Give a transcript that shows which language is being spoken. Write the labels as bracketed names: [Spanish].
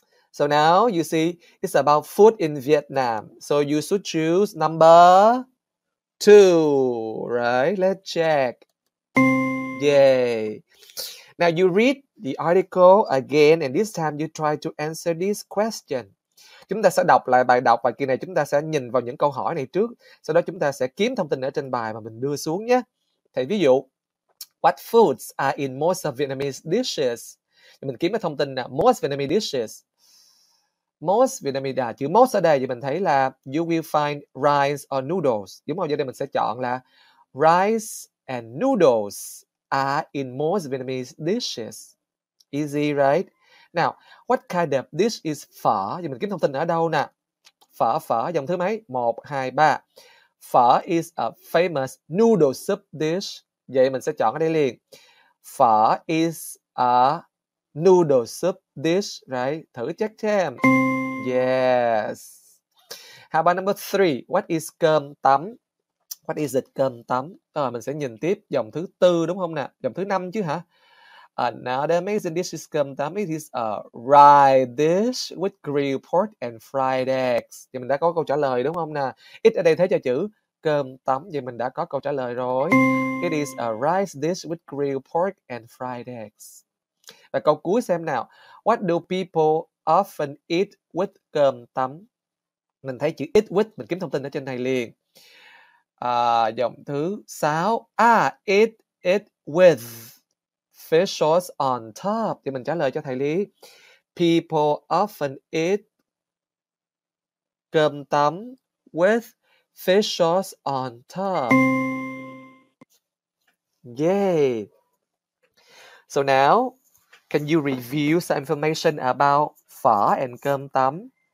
[English] So now you see it's about food in Vietnam. So you should choose number two, right? Let's check. Yay. Now you read the article again and this time you try to answer this question. [Vietnamese] Chúng ta sẽ đọc lại bài đọc và kỳ này chúng ta sẽ nhìn vào những câu hỏi này trước. Sau đó chúng ta sẽ kiếm thông tin ở trên bài mà mình đưa xuống nhé. Thầy ví dụ, [English] what foods are in most of Vietnamese dishes? [Vietnamese] Mình kiếm cái thông tin nào, [English] most Vietnamese dishes. Most Vietnamese dishes. [Vietnamese] Chữ most ở đây thì mình thấy là [English] you will find rice or noodles. [Vietnamese] Đúng không? Giờ đây mình sẽ chọn là [English] rice and noodles are in most Vietnamese dishes. Easy, right? Now, what kind of dish is phở? [Vietnamese] Thì mình kiếm thông tin ở đâu nè? Phở, phở, dòng thứ mấy? [English] 1, 2, 3. Phở is a famous noodle soup dish. [Vietnamese] Vậy mình sẽ chọn ở đây liền. [English] Phở is a noodle soup dish, right? [Vietnamese] Thử check xem. [English] Yes. How about number three? What is cơm tấm? What is it? Cơm tấm. [Vietnamese] Rồi mình sẽ nhìn tiếp dòng thứ tư đúng không nè? Dòng thứ năm chứ hả? [English] Another amazing dish is cơm tấm. It is a rye dish with grilled pork and fried eggs. [Vietnamese] Thì mình đã có câu trả lời đúng không nè? It ở đây thế cho chữ cơm tấm. Vậy mình đã có câu trả lời rồi. [English] It is a rice dish with grilled pork and fried eggs. [Vietnamese] Và câu cuối xem nào. [English] What do people often eat with cơm tấm? [Vietnamese] Mình thấy chữ eat with, mình kiếm thông tin ở trên này liền. Dòng thứ 6. [English] Eat it with fish sauce on top. [Vietnamese] Thì mình trả lời cho thầy Lý. [English] People often eat cơm tấm with fish sauce on top. Yay! So now, can you review some information about phở and cơm tấm?